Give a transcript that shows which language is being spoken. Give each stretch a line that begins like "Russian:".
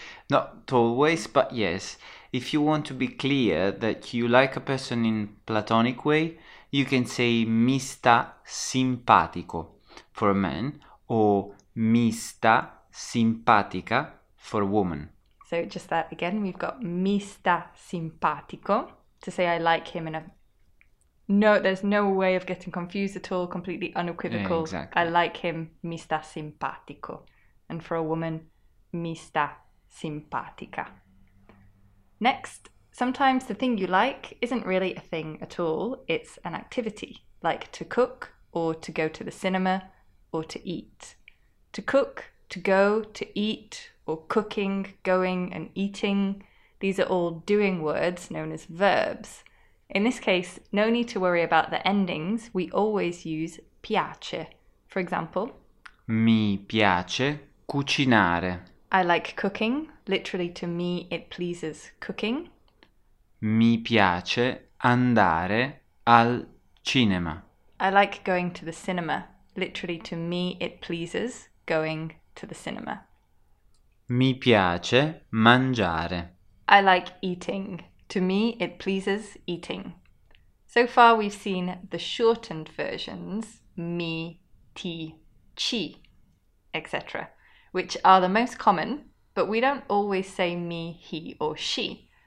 English: Not always, but yes. If you want to be clear that you like a person in platonic way, you can say
Italian: mi sta simpatico
English: for a man or
Italian: mi sta simpatica
English: for a woman. So just that again, we've got
Italian: mi sta simpatico
English: to say I like him in a no, there's no way of getting confused at all, completely unequivocal. I Exactly. like him,
Italian: mi sta simpatico.
English: And for a woman,
Italian: mi sta simpatica.
English: Next, sometimes the thing you like isn't really a thing at all, it's an activity, like to cook or to go to the cinema or to eat. To cook, to go, to eat, or cooking, going, and eating. These are all doing words known as verbs. In this case, no need to worry about the endings. We always use piace. For example,
Italian: Mi piace cucinare.
English: I like cooking. Literally, to me, it pleases cooking.
Italian: Mi piace andare al cinema.
English: I like going to the cinema. Literally, to me, it pleases going to the cinema.
Italian: Mi piace mangiare.
English: I like eating. To me, it pleases eating. So far, we've seen the shortened versions, mi, ti, chi, etc., which are the most common, but we don't always say mi, he, or she.